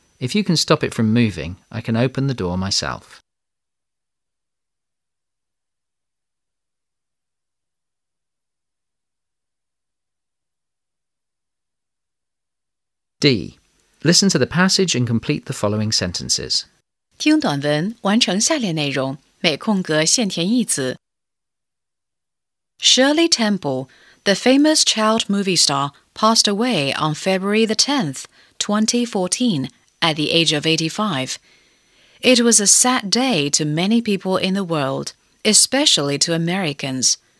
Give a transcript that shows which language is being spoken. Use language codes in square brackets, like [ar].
[en] If you can stop it from moving, I can open the door myself." D. Listen to the passage and complete the following sentences. [zh] 听短文，完成下列内容，每空格限填一词。 [en] Shirley Temple, the famous child movie star, passed away on February the 10th, 2014, at the age of 85. It was a sad day to many people in the world, especially to Americans.